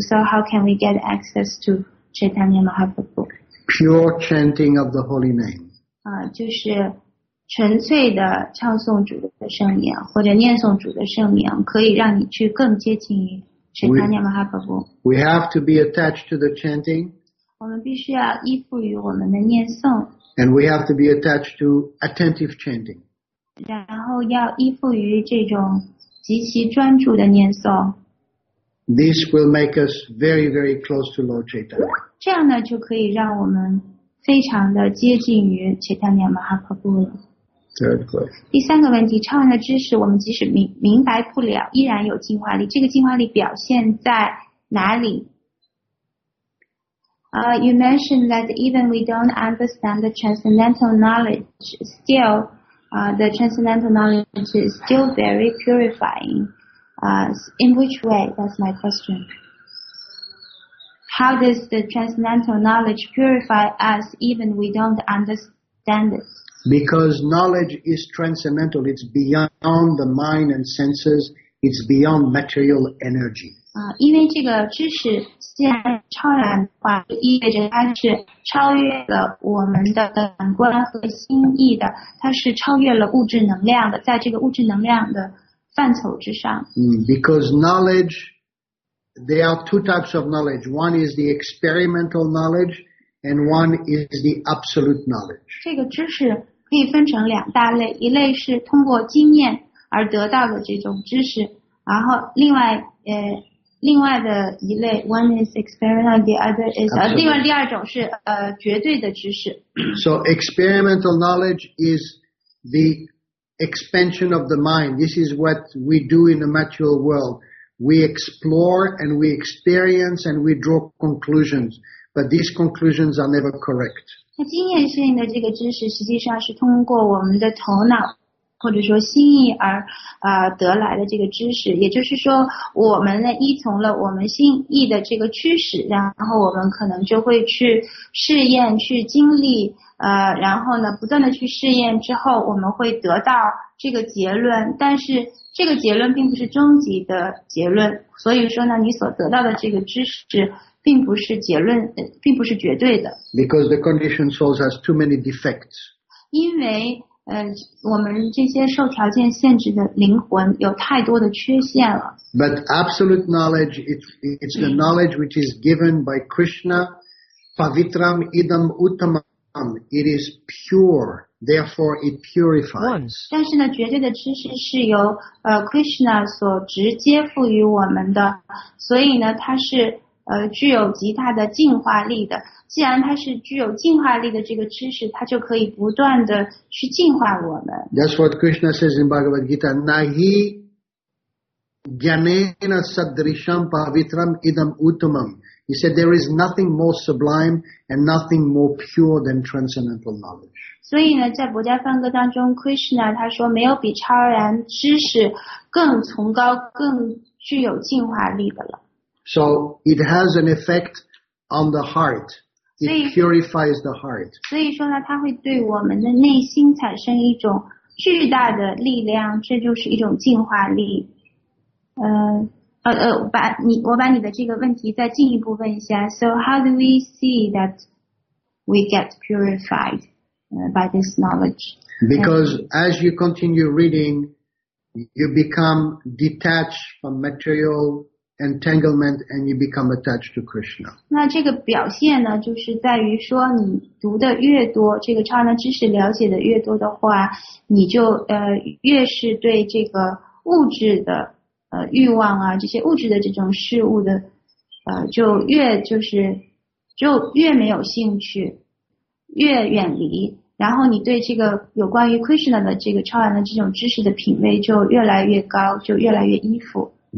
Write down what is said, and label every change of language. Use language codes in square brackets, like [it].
[en] So how can we get access to Chaitanya Mahaprabhu? Pure chanting of the holy name. [zh] 就是纯粹的唱诵主的圣名或者念诵主的圣名，可以让你去更接近于 Chaitanya Mahaprabhu。 [en] We have to be attached to the chanting. [zh] 我们必须要依附于我们的念诵。 [en] And we have to be attached to attentive chanting. [zh] 然后要依附于这种极其专注的念诵。 [en] This will make us very, very close to Lord Chaitanya. [zh] 这样呢，就可以让我们非常的接近于 Chaitanya Mahaprabhu 了。 [en] Third question. [zh] 第三个问题，超然的知识我们即使明白不了，依然有净化力。这个净化力表现在哪里？ [en] You mentioned that even we don't understand the transcendental knowledge, still, the transcendental knowledge is still very purifying. In which way? That's my question. How does the transcendental knowledge purify us even we don't understand it? Because knowledge is transcendental. It's beyond the mind and senses. It's beyond material energy. [zh] 因为这个知识既然超然的话，意味着它是超越了我们的感官和心意的，它是超越了物质能量的，在这个物质能量的范畴之上。 [en] Because knowledge... There are two types of knowledge. One is the experimental knowledge, and one is the absolute knowledge. [zh] 这个知识可以分成两大类，一类是通过经验而得到的这种知识，然后另外的一类 ， [en] one is experimental, the other is [zh] 第二种是绝对的知识。 [en] So experimental knowledge is the expansion of the mind. This is what we do in the material world. We explore and we experience and we draw conclusions, but these conclusions are never correct. [zh] 那经验性的这个知识实际上是通过我们的头脑或者说心意而得来的这个知识，也就是说我们呢依从了我们心意的这个驱使，然后我们可能就会去试验去经历然后呢不断的去试验之后我们会得到这个结论，但是这个结论并不是终极的结论，所以说呢你所得到的这个知识并不是结论，并不是绝对的。 [en] Because the conditioned souls has too many defects. [zh] 因为我们这些受条件限制的灵魂有太多的缺陷了。 [en] But absolute knowledge, it's the knowledge which is given by Krishna, [sa] pavitram idam uttamam. [en] It is pure, therefore it purifies. [zh] 但是呢，绝对的知识是由Krishna 所直接赋予我们的，所以呢，它是具有极大的净化力的。既然它是具有净化力的这个知识，它就可以不断的去净化我们。 [en] That's what Krishna says in Bhagavad Gita. [sa] Nahi jnana sadrisham pavitram idam uttamam. [en] He said there is nothing more sublime and nothing more pure than transcendental knowledge. [zh] 所以呢，在《薄伽梵歌》当中 ，Krishna 他说没有比超然知识更崇高、更具有净化力的了。 [en] So it has an effect on the heart. It purifies the heart. [zh] 所以说呢，它会对我们的内心产生一种巨大的力量，这就是一种净化力。我把你的这个问题再进一步问一下。 [en] So how do we see that we get purified by this knowledge? Because as you continue reading, you become detached from material. Entanglement, and you become attached to Krishna. [zh] 那这个表现呢，就是在于说，你读的越多，这个超然知识了解的越多的话，你就越是对这个物质的欲望啊，这些物质的这种事物的就越没有兴趣，越远离，然后你对这个有关于 Krishna 的这个超然的这种知识的品味就越来越高，就越来越依附。